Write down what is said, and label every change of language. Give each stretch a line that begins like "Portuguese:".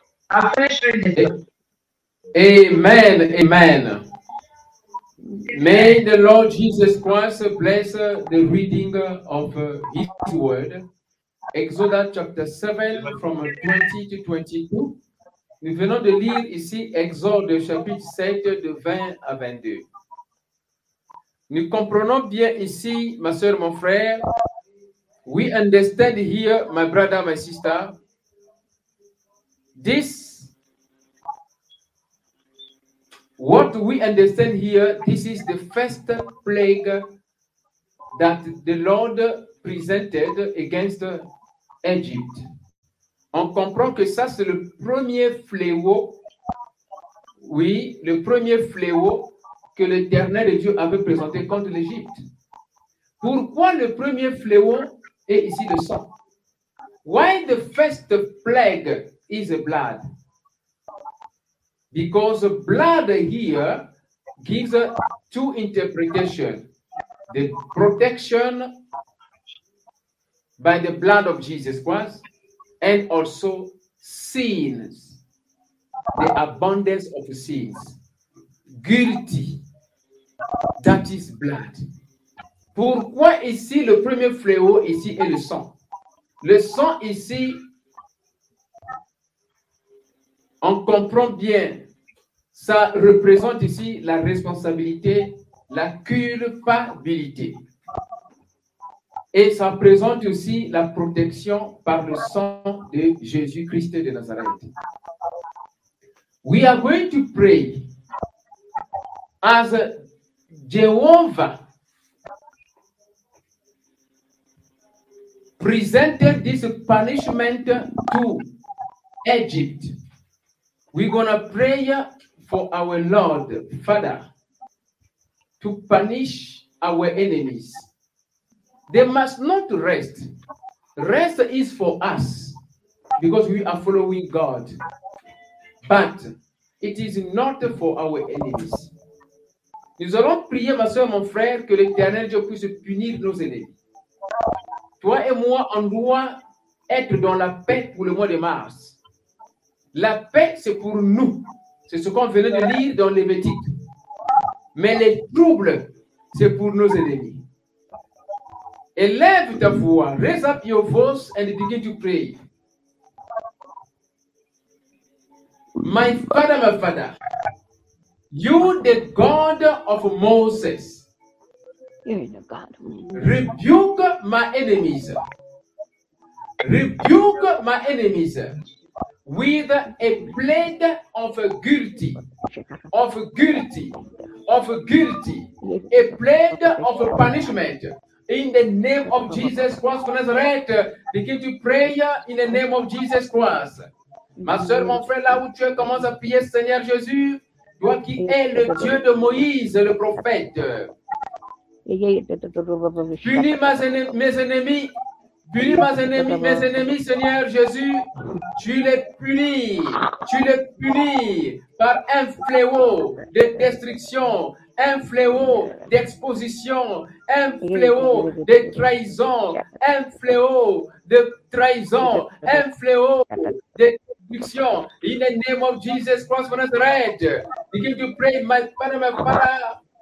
English: I'll finish reading it. Amen, amen. May the Lord Jesus Christ bless the reading of his word. Exodus chapter 7 from 20 to 22.
French: Nous venons de lire ici Exode chapitre 7 de 20 à 22. Nous comprenons bien ici, ma soeur, mon frère.
English: We understand here, my brother, my sister. This, what we understand here, this is the first plague that the Lord presented against Egypt.
French: On comprend que ça, c'est le premier fléau. Oui, le premier fléau que l'Éternel Dieu avait présenté contre l'Égypte. Pourquoi le premier fléau est ici le sang?
English: Why the first plague is blood? Because blood here gives two interpretations. The protection by the blood of Jesus Christ and also sins. The abundance of sins, guilty, that is blood.
French: Pourquoi ici le premier fléau ici est le sang? Le sang ici, on comprend bien, ça représente ici la responsabilité, la culpabilité. Et ça présente aussi la protection par le sang de Jésus-Christ de Nazareth.
English: We are going to pray as Jehovah presented this punishment to Egypt. We're going to pray for our Lord, Father, to punish our enemies. They must not rest. Rest is for us because we are following God. But it is not for our enemies.
French: Nous allons prier, ma soeur, mon frère, que l'Éternel Dieu puisse punir nos ennemis. Toi et moi, on doit être dans la paix pour le mois de mars. La paix, c'est pour nous. C'est ce qu'on venait de lire dans Lévitique. Mais les troubles, c'est pour nos ennemis. Élève ta voix,
English: raise up your voice and begin to pray. My Father, you the God of Moses, you're the God. Rebuke my enemies. Rebuke my enemies with a blade of guilty, of guilty, of guilty, a blade of punishment. In the name of Jesus Christ of Nazareth, begin to pray in the name of Jesus Christ.
French: Ma soeur, mon frère, là où tu es, commence à prier, Seigneur Jésus, toi qui es le Dieu de Moïse, le prophète. Punis mes ennemis, punis mes ennemis, Seigneur Jésus, tu les punis par un fléau de destruction, un fléau d'exposition, un fléau de trahison, un fléau de trahison, un fléau de
English: in the name of Jesus Christ of Nazareth, begin to pray, my Father,
French: my Father,